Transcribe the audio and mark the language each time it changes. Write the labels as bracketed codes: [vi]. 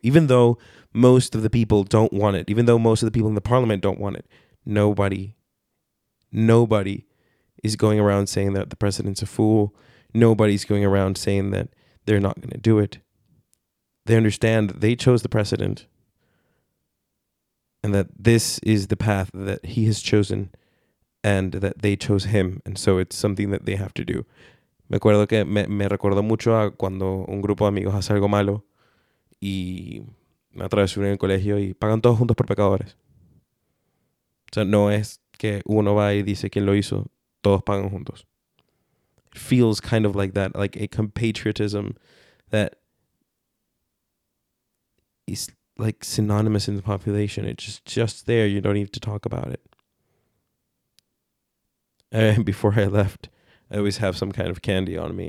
[en] Even though most of the people don't want it, even though most of the people in the parliament don't want it, nobody is going around saying that the president's a fool. Nobody's going around saying that they're not going to do it. They understand that they chose the president and that this is the path that he has chosen and that they chose him. And so it's something that they have to do. [es] Me recuerdo mucho a cuando un grupo de amigos hace algo malo y me atravesó en el colegio y pagan todos juntos por pecadores. O sea, no es que uno va y dice quién lo hizo, todos pagan juntos. [en] Feels kind of like that, like a compatriotism that is like synonymous in the population. It's just there. You don't need to talk about it. And before I left, I always have some kind of candy on me.